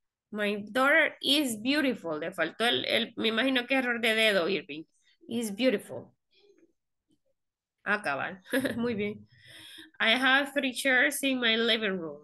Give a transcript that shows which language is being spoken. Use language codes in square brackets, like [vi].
[en] My daughter is beautiful. [es] Le faltó el me imagino que error de dedo, Irving. [en] Is beautiful. [es] Acabar. Muy bien. [en] I have three chairs in my living room.